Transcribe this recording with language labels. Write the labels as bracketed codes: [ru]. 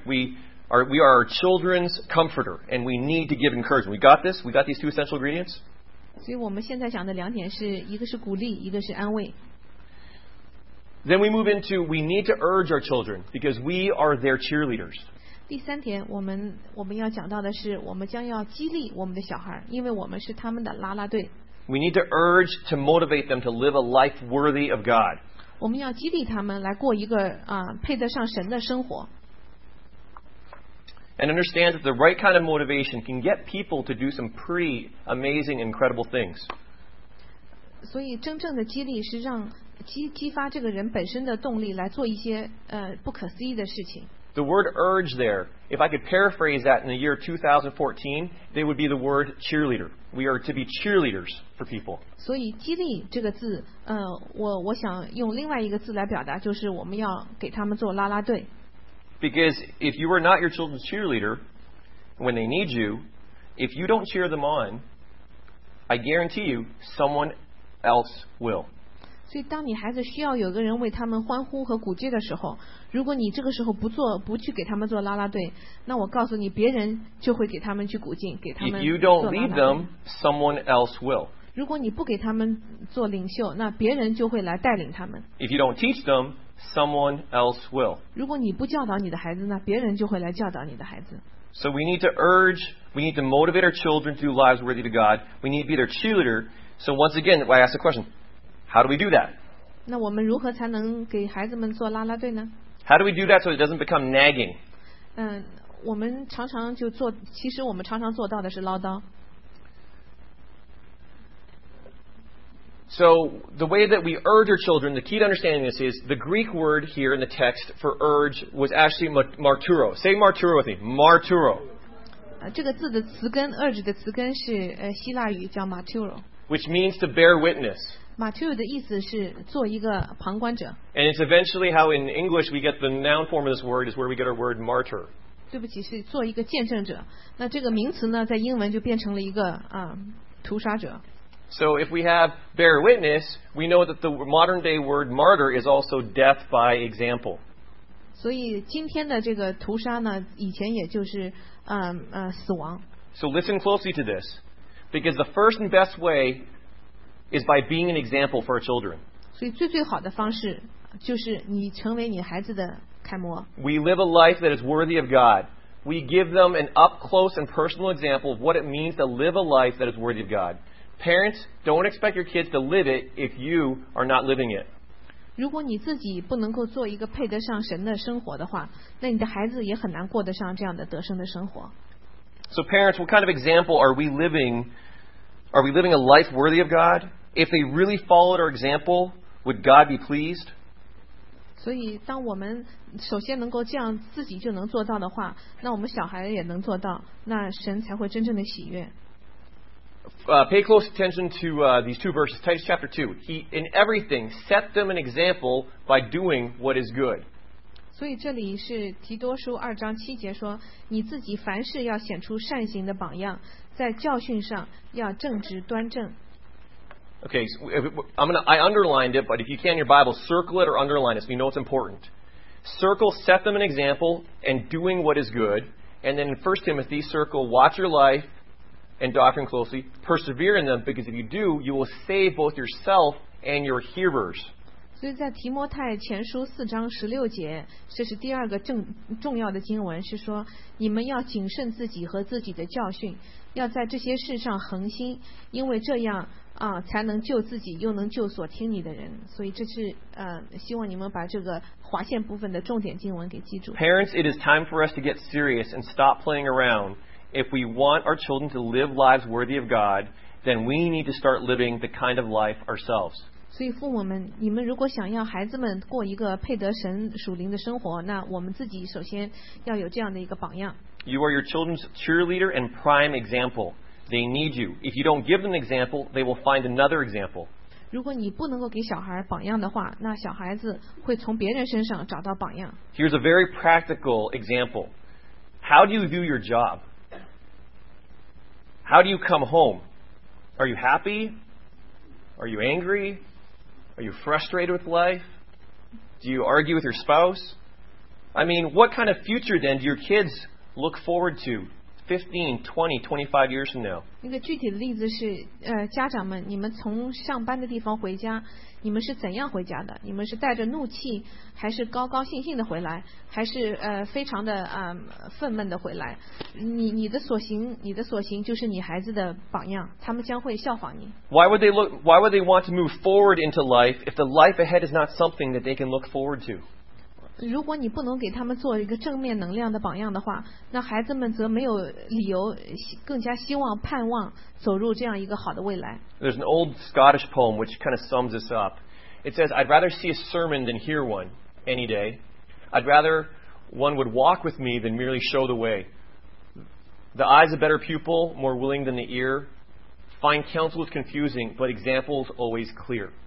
[en] We are our children's comforter, and we need to give encouragement. We got this? We got these two essential ingredients? [zh] 所以我们现在讲的两点是，一个是鼓励，一个是安慰。 [en] Then we move into, we need to urge our children because we are their cheerleaders. [zh] 第三点，我们要讲到的是，我们将要激励我们的小孩，因为我们是他们的拉拉队。 [en] We need to urge to motivate them to live a life worthy of God. [zh] 我们要激励他们来过一个配得上神的生活。 [en] And understand that the right kind of motivation can get people to do some pretty amazing, incredible things. [zh] 所以真正的激励是让激发这个人本身的动力来做一些不可思议的事情。 [en] The word urge there, if I could paraphrase that in the year 2014, they would be the word cheerleader. We are to be cheerleaders for people. [zh] 所以激励这个字我想用另外一个字来表达，就是我们要给他们做拉拉队。 [en] Because if you are not your children's cheerleader when they need you, if you don't cheer them on, I guarantee you someone else will. [zh] 所以当你孩子需要有个人为他们欢呼和鼓劲的时候，如果你这个时候不去给他们做拉拉队，那我告诉你，别人就会给他们去鼓劲，给他们做拉拉队。 [en] If you don't lead them, someone else will. [zh] 如果你不给他们做领袖，那别人就会来带领他们。 [en] If you don't teach them,Someone else will. [zh] 如果你不教导你的孩子，那别人就会来教导你的孩子。 [en] So we need to urge, we need to motivate our children to do lives worthy to God. We need to be their cheerleader. So once again, I ask the question, how do we do that? [zh] 那我们如何才能给孩子们做拉拉队呢？ [en] How do we do that so it doesn't become nagging? [zh] 我们常常就做，其实我们常常做到的是唠叨。 [en] So the way that we urge our children, the key to understanding this is the Greek word here in the text for urge was actually marturo. Say marturo with me. Marturo. [zh] 这个字的词根 urge 的词根是希腊语叫 marturo. [en] Which means to bear witness. [zh] Marturo 的意思是做一个旁观者。 [en] And it's eventually how in English we get the noun form of this word is where we get our word martyr. [zh] 对不起，是做一个见证者。那这个名词呢，在英文就变成了一个屠杀者。 [en] So if we have bear witness, we know that the modern day word martyr is also death by example. [zh] 所以今天的这个屠杀呢，以前也就是死亡。 [en] So listen closely to this, because the first and best way is by being an example for our children. [zh] 所以最好的方式就是你成为你孩子的楷模。 [en] We live a life that is worthy of God. We give them an up close and personal example of what it means to live a life that is worthy of God. Parents, don't expect your kids to live it if you are not living it. [zh] 如果你自己不能够做一个配得上神的生活的话，那你的孩子也很难过得上这样的得胜的生活。 [en] So parents, what kind of example are we living? Are we living a life worthy of God? If they really followed our example, would God be pleased? [zh] 所以当我们首先能够这样自己就能做到的话，那我们小孩也能做到，那神才会真正的喜悦。 [en] Pay close attention to these two verses, Titus chapter 2. He, in everything, set them an example by doing what is good. [zh] 所以这里是提多书二章七节说，你自己凡事要显出善行的榜样，在教训上要正直端正。 [en] Okay, so I underlined it, but if you can in your Bible, circle it or underline it so you know it's important. Circle, set them an example and doing what is good. And then in 1 Timothy, circle, watch your life. And doctrine closely, persevere in them, because if you do, you will save both yourself and your hearers. [zh] 所以在提摩太前书四章十六节，这是第二个重要的经文，是说你们要谨慎自己和自己的教训，要在这些事上恒心，因为这样才能救自己，又能救所听你的人。所以这是希望你们把这个划线部分的重点经文给记住。 [en] Parents, it is time for us to get serious and stop playing around. If we want our children to live lives worthy of God, then we need to start living the kind of life ourselves. [zh] 所以父母们，你们如果想要孩子们过一个配得神属灵的生活，那我们自己首先要有这样的一个榜样。 [en] You are your children's cheerleader and prime example. They need you. If you don't give them an example, they will find another example. [zh] 如果你不能够给小孩榜样的话，那小孩子会从别人身上找到榜样。 [en] Here's a very practical example. How do you view your job? How do you come home? Are you happy? Are you angry? Are you frustrated with life? Do you argue with your spouse? I mean, what kind of future then do your kids look forward to 15, 20, 25 years from now. [zh] 那个具体的例子是, 家长们, 你们从上班的地方回家, 你们是怎样回家的? 你们是带着怒气, 还是高高兴兴的回来, 还是, 非常的, 愤懑的回来? 你的所行, 你的所行就是你孩子的榜样, 他们将会效仿你。 [en] Why would they want to move forward into life if the life ahead is not something that they can look forward to? [zh] 如果你不能给他们做一个正面能量的榜样的话, 那孩子们则没有理由更加希望盼望走入这样一个好的未来。 [en] There's an old Scottish poem which kind of sums this up. It says, I'd rather see a sermon than hear one any day. I'd rather one would walk with me than merely show the way. The eye's a better pupil, more willing than the ear. Fine counsel is confusing, but example's always clear.